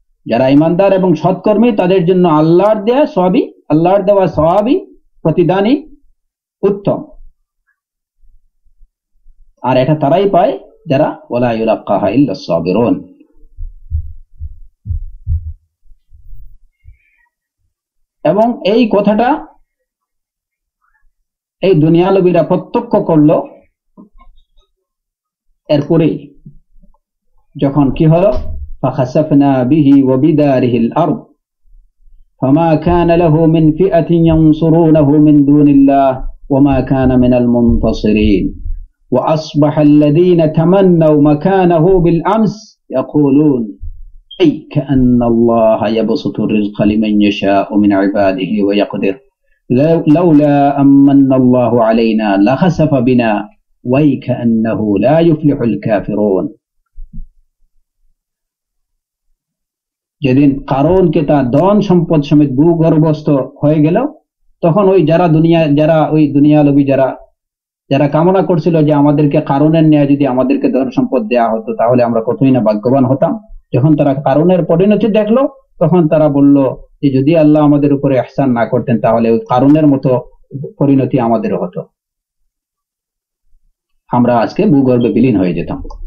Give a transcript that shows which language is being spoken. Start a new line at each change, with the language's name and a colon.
Bangla: যারা ইমানদার এবং সৎকর্মী তাদের জন্য আল্লাহর দেয়া সবই, আল্লাহর দেওয়া সবই প্রতিদানই উত্তম, আর এটা তারাই পায় যারা
Arabic: ওয়ালা ইউলাক্কাহা ইল্লা সাবিরুন।
Bangla: এবং এই কথাটা এই দুনিয়ালোভীরা প্রত্যক্ষ করল এরপরেই, যখন কি হলো,
Arabic: فَخَسَفْنَا بِهِ وَبِدَارِهِ الْأَرْضِ فَمَا كَانَ لَهُ مِنْ فِئَةٍ يَنْصُرُونَهُ مِنْ دُونِ اللَّهِ وَمَا كَانَ مِنَ الْمُنْتَصِرِينَ وَأَصْبَحَ الَّذِينَ تَمَنَّوْا مَكَانَهُ بِالْأَمْسِ يَقُولُونَ أَيْ كَأَنَّ اللَّهَ يَبْسُطُ الرِّزْقَ لِمَنْ يَشَاءُ مِنْ عِبَادِهِ وَيَقْدِرُ لَوْلَا أَمَنَّ اللَّهُ عَلَيْنَا لَخَسَفَ بِنَا وَيْكَأَنَّهُ لَا يُفْلِحُ الْكَافِرُونَ।
Bangla: যেদিন কারণকে তার ধন সম্পদ সমেত ভূগর্ভস্থ হয়ে গেল, তখন ওই যারা দুনিয়া যারা ওই দুনিয়ালোভী যারা যারা কামনা করছিল যে আমাদেরকে কারণের ন্যায় যদি আমাদেরকে ধন সম্পদ দেয়া হতো তাহলে আমরা কতই না ভাগ্যবান হতাম, যখন তারা কারণের পরিণতি দেখলো তখন তারা বলল যে যদি আল্লাহ আমাদের উপরে এহসান না করতেন তাহলে ওই কারণের মতো পরিণতি আমাদেরও হতো, আমরা আজকে ভূগর্ভে বিলীন হয়ে যেতাম।